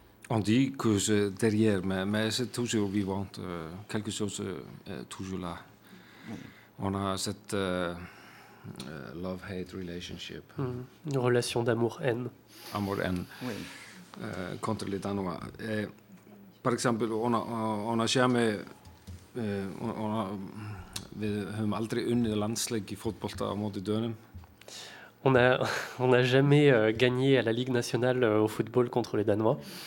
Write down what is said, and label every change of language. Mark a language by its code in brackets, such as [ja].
[fr] On dit que c'est derrière, mais c'est toujours vivant, quelque chose est toujours là. On a cette [en] love-hate relationship. [fr] Une relation d'amour-haine. Amour-haine, oui. Contre les Danois. Et, par exemple, on a jamais... [is] Vi höfum aldrei unnið landsleik í fótbolta á móti Dönum. [fr] On a jamais gagné à la Ligue nationale au football contre les Danois.